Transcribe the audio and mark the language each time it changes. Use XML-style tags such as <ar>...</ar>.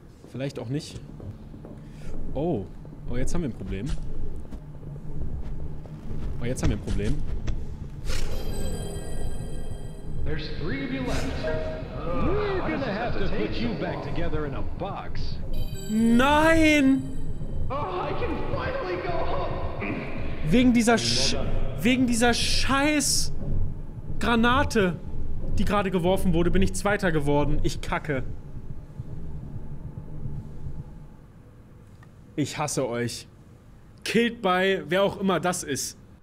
<de>Vielleicht auch nicht. Oh. Oh, jetzt haben wir ein Problem. Oh, jetzt haben wir ein Problem.</de> <en>There's three of you left. We're gonna have to put you back together in a box.</en> <de>Nein!</de> <en>Oh, I can finally go home!</en> <de>Wegen dieser scheiß Granate, die gerade geworfen wurde, bin ich Zweiter geworden. Ich kacke. Ich hasse euch.</de> <en>Killed by</en> <de>wer auch immer das ist.</de>